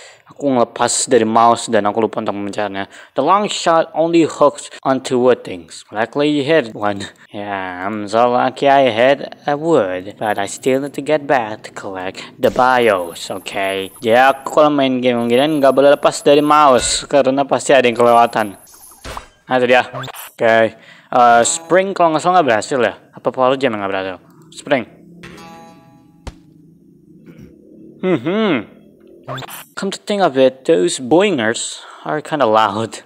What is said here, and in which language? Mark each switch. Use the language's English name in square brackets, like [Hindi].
[Indonesian] Aku ngelepas dari mouse dan aku lupa untuk memencetnya. [English] The long shot only hooks onto wood things. Luckily you hit one. Yeah, I'm so lucky I hit a wood. But I still need to get back to collect the bios, okay? [Indonesian] Jadi aku kalau main game gini nggak boleh lepas dari mouse. Karena pasti ada yang kelewatan. Nah itu dia. Okay. Spring kalau nggak salah nggak berhasil ya? Apa power jam yang nggak berhasil? Spring. [English] Come to think of it, those boingers are kinda loud.